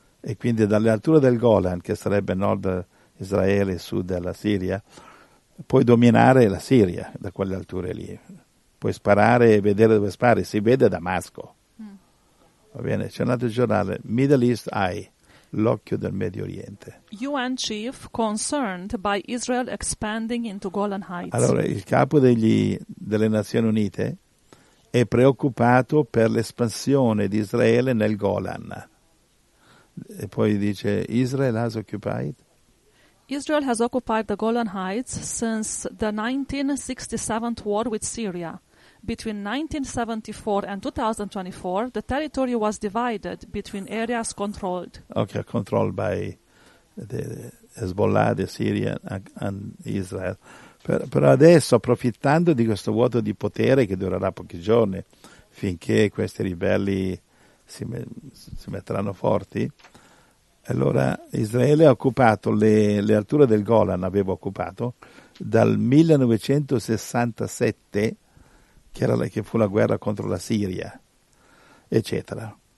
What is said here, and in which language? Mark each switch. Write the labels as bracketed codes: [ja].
[it] E quindi dalle alture del Golan, che sarebbe nord Israele, sud della Siria, puoi dominare la Siria da quelle alture lì, puoi sparare e vedere dove spari, si vede Damasco. Va bene, c'è un altro giornale, Middle East Eye, l'occhio del Medio Oriente. [en] UN chief concerned by Israel expanding into Golan Heights. [it] Allora, il capo delle Nazioni Unite è preoccupato per l'espansione di Israele nel Golan. E poi dice, Israel has occupied? [en] Israel has occupied the Golan Heights since the 1967 war with Syria. Between 1974 and 2024, the territory was divided between areas controlled. Okay, controlled by the Hezbollah, the Syria and Israel. [it] Però adesso, approfittando di questo vuoto di potere che durerà pochi giorni, finché questi ribelli si metteranno forti, allora Israele ha occupato le alture del Golan, aveva occupato, dal 1967, che fu la guerra contro la Siria, eccetera.